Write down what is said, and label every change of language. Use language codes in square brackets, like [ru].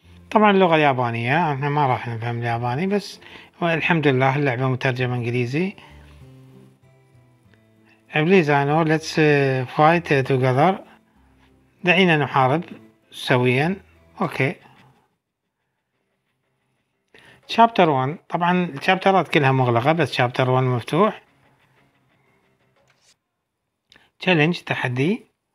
[ar] طبعا اللغة اليابانية، احنا ما راح نفهم الياباني بس الحمد لله اللعبة مترجمة انجليزي. [en] Please I know, let's fight together. [ar] دعينا نحارب سويا. اوكي شابتر 1، طبعا الشابترات كلها مغلقة بس شابتر 1 مفتوح. تشالنج تحدي.